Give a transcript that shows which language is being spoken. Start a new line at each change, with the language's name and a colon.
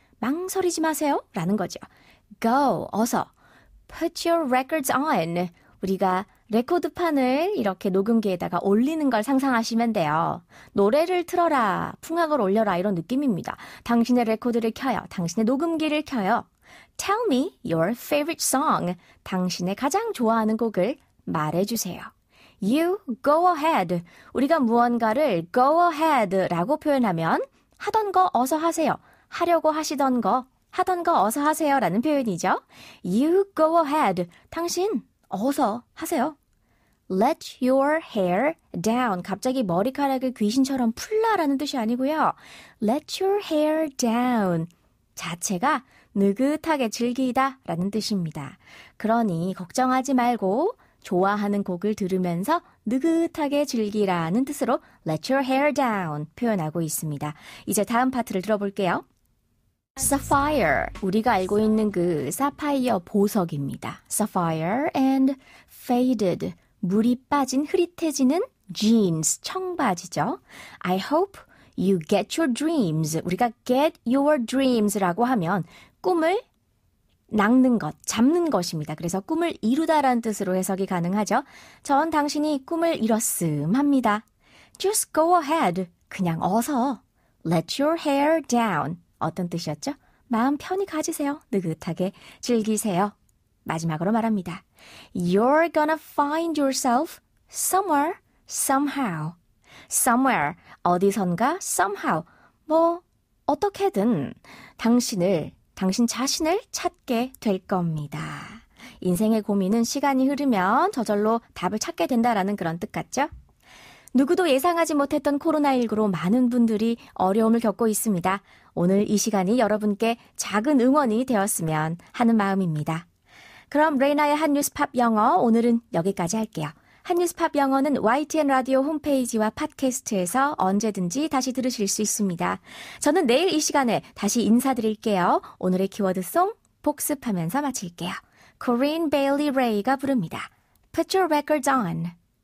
Korean: 망설이지 마세요. 라는 거죠. Go, 어서.
English: Put your records on.
Korean: 우리가 레코드판을 이렇게 녹음기에다가 올리는 걸 상상하시면 돼요. 노래를 틀어라, 풍악을 올려라 이런 느낌입니다. 당신의 레코드를 켜요. 당신의 녹음기를 켜요.
English: Tell me your favorite song.
Korean: 당신의 가장 좋아하는 곡을 말해주세요.
English: You go ahead.
Korean: 우리가 무언가를
English: go ahead
Korean: 라고 표현하면 하던 거 어서 하세요. 하려고 하시던 거. 하던 거 어서 하세요 라는 표현이죠.
English: You go ahead.
Korean: 당신 어서 하세요.
English: Let your hair down.
Korean: 갑자기 머리카락을 귀신처럼 풀라라는 뜻이 아니고요.
English: Let your hair down.
Korean: 자체가 느긋하게 즐기다 라는 뜻입니다. 그러니 걱정하지 말고 좋아하는 곡을 들으면서 느긋하게 즐기라는 뜻으로
English: Let your hair down
Korean: 표현하고 있습니다. 이제 다음 파트를 들어볼게요. Sapphire, 우리가 알고 있는 그 사파이어 보석입니다.
English: Sapphire and faded,
Korean: 물이 빠진 흐릿해지는
English: jeans,
Korean: 청바지죠.
English: I hope you get your dreams.
Korean: 우리가
English: get your dreams
Korean: 라고 하면 꿈을 낚는 것, 잡는 것입니다. 그래서 꿈을 이루다라는 뜻으로 해석이 가능하죠. 전 당신이 꿈을 이뤘음 합니다.
English: Just go ahead,
Korean: 그냥 어서.
English: Let your hair down.
Korean: 어떤 뜻이었죠? 마음 편히 가지세요. 느긋하게 즐기세요. 마지막으로 말합니다.
English: You're gonna find yourself somewhere, somehow. Somewhere,
Korean: 어디선가,
English: somehow.
Korean: 뭐, 어떻게든 당신 자신을 찾게 될 겁니다. 인생의 고민은 시간이 흐르면 저절로 답을 찾게 된다라는 그런 뜻 같죠? 누구도 예상하지 못했던 코로나19로 많은 분들이 어려움을 겪고 있습니다. 오늘 이 시간이 여러분께 작은 응원이 되었으면 하는 마음입니다. 그럼 레이나의 한뉴스팝 영어 오늘은 여기까지 할게요. 한뉴스팝 영어는 YTN 라디오 홈페이지와 팟캐스트에서 언제든지 다시 들으실 수 있습니다. 저는 내일 이 시간에 다시 인사드릴게요. 오늘의 키워드송 복습하면서 마칠게요. Corinne Bailey Ray가 부릅니다.
English: Put your records on.